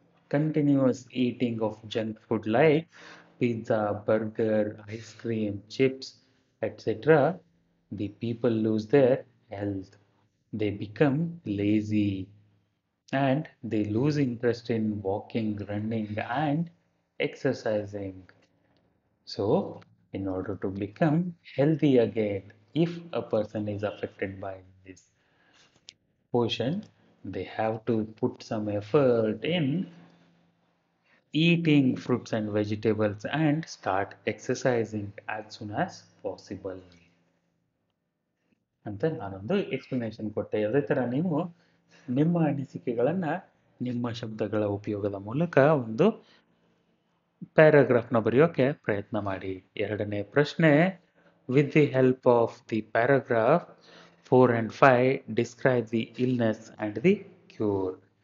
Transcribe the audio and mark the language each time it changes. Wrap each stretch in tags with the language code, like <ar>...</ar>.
<en>Continuous eating of junk food like pizza burger ice cream chips etcetera the people lose their health. They become lazy and they lose interest in walking running and exercising. So in order to become healthy again if a person is affected by this potion, they have to put some effort in eating fruits and vegetables and start exercising as soon as possible.</en> <kn>ಅಂತ ನಾನೊಂದು explanation ಕೊಟ್ಟೆ. ಅದೇ ಥರ ನೀವು ನಿಮ್ಮ ಅನಿಸಿಕೆಗಳನ್ನು ನಿಮ್ಮ ಶಬ್ದಗಳ ಉಪಯೋಗದ ಮೂಲಕ ಒಂದು ಪ್ಯಾರಾಗ್ರಾಫ್ನ ಬರೆಯೋಕ್ಕೆ ಪ್ರಯತ್ನ ಮಾಡಿ. ಎರಡನೇ ಪ್ರಶ್ನೆ,</kn> <en>With the help of the paragraph 4 and 5 describe the illness and the cure.</en>